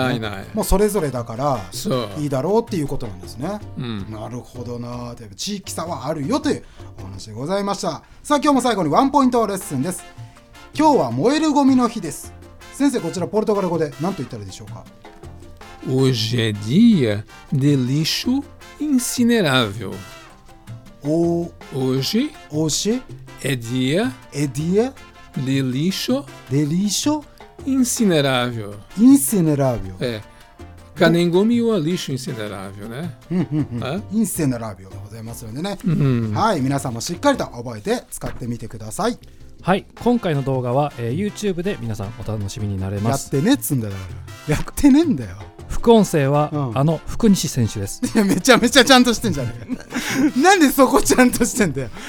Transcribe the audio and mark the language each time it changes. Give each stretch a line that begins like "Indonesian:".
Japanese: ないない。もうそれぞれだからいいだろうっていうことなんですね。うん、なるほどな。地域差はあるよというお話でございました。さあ今日も最後にワンポイントレッスンです。今日は燃えるゴミの日です。先生、こちらポルトガル語で何と言ったらいいでしょうか？
Portuguese: Hoje é dia de lixo incinerável. Hoje é dia de lixo incinerável. Incinerável. É. Canengomi ou lixo incinerável, né? Incinerável.
Japanese: ございますのでね。はい、皆さんもしっかりと覚えて使ってみてください。はい、今回の動画は、YouTube で皆さんお楽しみになれます。やってねっつんだよ。やってねえんだよ。副音声は、あの福西選手です。いや、めちゃめちゃちゃんとしてんじゃねえ。なんでそこちゃんとしてんだよ。